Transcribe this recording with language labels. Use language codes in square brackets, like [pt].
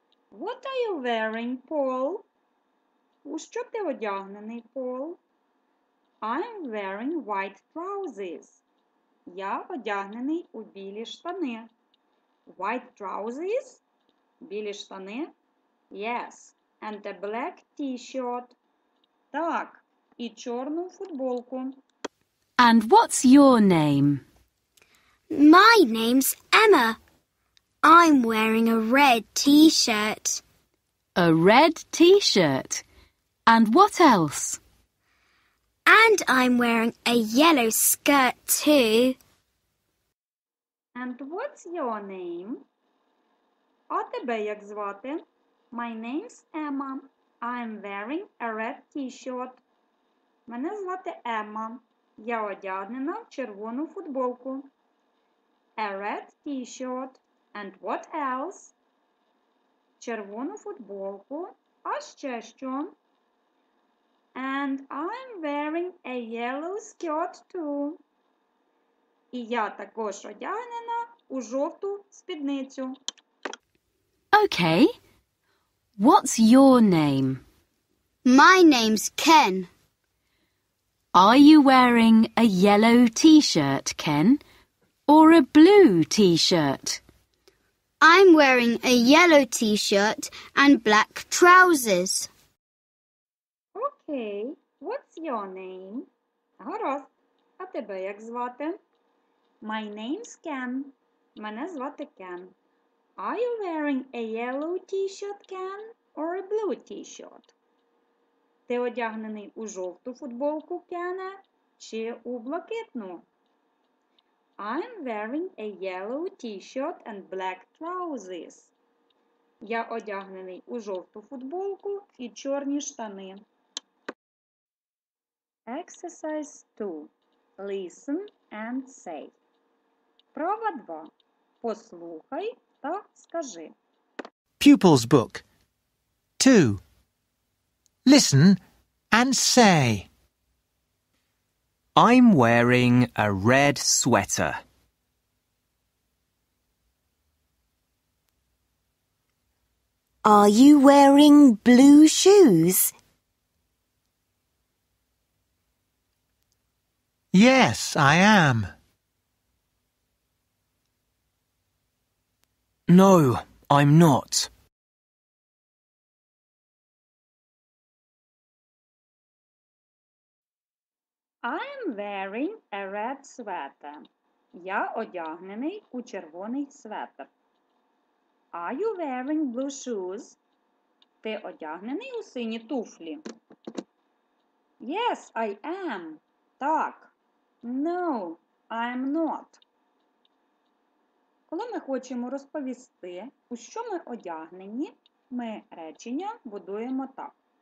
[en] What are you wearing, Paul? [uk] У що ти одягнений, Paul? [en] I'm wearing white trousers. [uk] Я одягнений у білі штани. [en] White trousers? [uk] Білі штани? [en] Yes. And a black t-shirt. [uk] Так, і чорну футболку. [en] And what's your name? My name's Emma. I'm wearing a red t-shirt. A red t-shirt. And what else? And I'm wearing a yellow skirt too. And what's your name? [uk] А тебе як звати? [en] My name's Emma. I'm wearing a red t-shirt. [uk] Мене звати Емма. Я одягнена в червону футболку. [en] A red t-shirt. And what else? [uk] Червону футболку. А ще що? [en] And I'm wearing a yellow skirt too. [uk] І я також одягнена у жовту спідницю. [en] Okay. What's your name? My name's Ken. Are you wearing a yellow T-shirt, Ken, or a blue T-shirt? I'm wearing a yellow T-shirt and black trousers. Okay, what's your name? [uk] Гаразд, а тебе як звати? [en] My name's Ken. [uk] Мене звати Ken. [en] Are you wearing a yellow T-shirt, Ken, or a blue T-shirt? [uk] Ти одягнений у жовту футболку, Кене, чи у блакитну? [en] I'm wearing a yellow T-shirt and black trousers. [uk] Я одягнений у жовту футболку і чорні штани. [en] Exercise 2. Listen and say. [uk] Прова 2. Послухай та скажи. [en] Pupil's book. 2. Listen and say. I'm wearing a red sweater. Are you wearing blue shoes? Yes, I am. No, I'm not. I'm wearing a red sweater. [uk] Я одягнений у червоний светр. [en] Are you wearing blue shoes? [uk] Ти одягнений у сині туфлі? [en] Yes, I am. [uk] Так. [en] No, I'm not. [uk] Коли ми хочемо розповісти, у що ми одягнені, ми речення будуємо так.